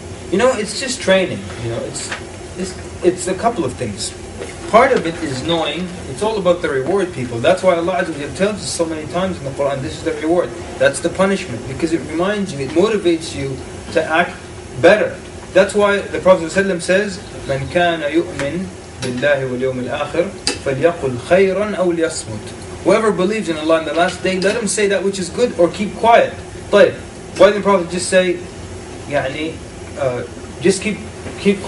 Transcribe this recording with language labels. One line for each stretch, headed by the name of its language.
English: You know, it's just training. You know, it's a couple of things. Part of it is knowing, it's all about the reward, people. That's why Allah tells us so many times in the Quran, this is the reward. That's the punishment, because it reminds you, it motivates you to act better. That's why the Prophet ﷺ says,
Arabic: مَنْ كَانَ يُؤْمِنْ بِاللَّهِ وَالْيَوْمِ الْآخِرِ فَلْيَقُلْ خَيْرًا أَوْ لِيَصْمُتْ.
English: Whoever believes in Allah in the last day, let him say that which is good or keep quiet. طيب, why didn't the Prophet just say, يعني, just keep quiet?